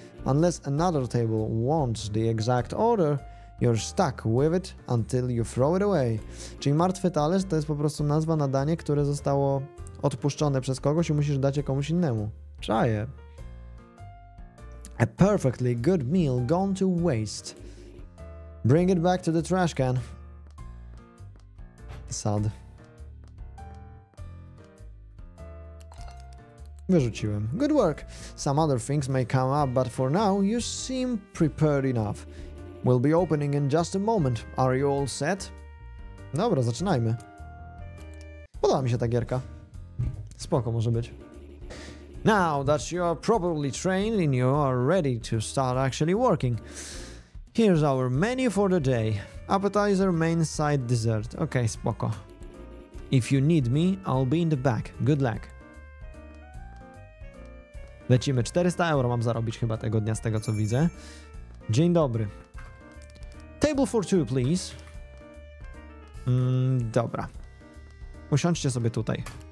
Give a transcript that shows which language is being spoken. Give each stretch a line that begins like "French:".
English: Unless another table wants the exact order, you're stuck with it until you throw it away.
Polish: Czyli martwy talerz to jest po prostu nazwa na danie, które zostało odpuszczone przez kogoś i musisz dać je komuś innemu. Czaję.
English: A perfectly good meal gone to waste. Bring it back to the trash can. Sad.
Polish: Wyrzuciłem.
English: Good work. Some other things may come up, but for now you seem prepared enough. We'll be opening in just a moment. Are you all set?
Polish: Dobra, zaczynajmy. Podoba mi się ta gierka. Spoko może być.
English: Now that you are properly trained and you are ready to start actually working, here's our menu for the day. Appetizer, main side, dessert. Okay, spoko. If you need me, I'll be in the back. Good luck.
Polish: Lecimy. 400 euro mam zarobić chyba tego dnia z tego co widzę. Dzień dobry.
English: Table for two, please.
Polish: Dobra. Usiądźcie sobie tutaj.